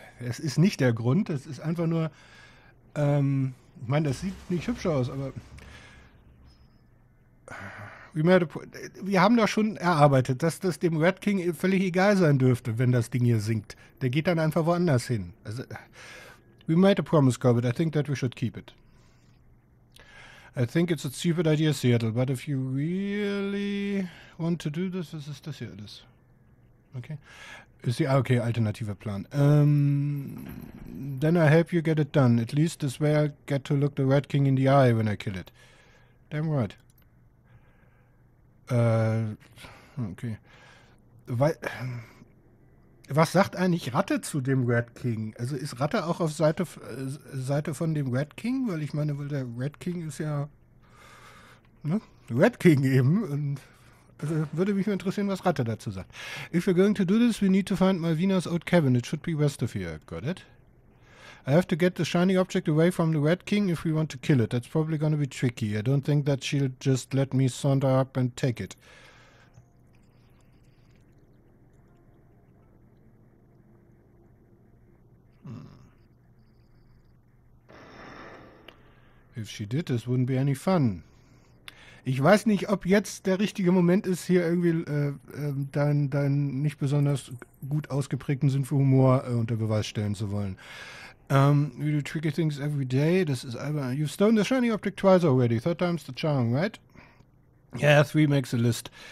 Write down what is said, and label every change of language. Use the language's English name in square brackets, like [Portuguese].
[German] Es ist nicht der Grund, es ist einfach nur, ich meine, das sieht nicht hübsch aus, aber wir haben doch schon erarbeitet, dass das dem Red King völlig egal sein dürfte, wenn das Ding hier sinkt. Der geht dann einfach woanders hin. [English] Also, we made a promise, Corbett, I think that we should keep it. I think it's a stupid idea, Seattle, but if you really want to do this, [German] was ist das hier alles? [English] Okay. [German] Ist die, okay, alternativer Plan. [English] Then I'll help you get it done. At least this way I'll get to look the Red King in the eye when I kill it. Damn right. Okay. [German] Was sagt eigentlich Ratte zu dem Red King? Also ist Ratte auch auf Seite von dem Red King? Weil ich meine, weil der Red King ist ja, ne? Red King eben und... würde mich mal interessieren, was Ratte dazu sagt. [English] If we're going to do this, we need to find Malvina's old cabin. It should be west of here. Got it? I have to get the shiny object away from the Red King if we want to kill it. That's probably going to be tricky. I don't think that she'll just let me saunter up and take it. If she did, this wouldn't be any fun. [German] Ich weiß nicht, ob jetzt der richtige Moment ist, hier irgendwie deinen nicht besonders gut ausgeprägten Sinn für Humor unter Beweis stellen zu wollen. [English] We do tricky things every day. [German] Das ist einfach. [English] You've stolen the shiny object twice already. Third time's the charm, right? Yeah, three makes a list.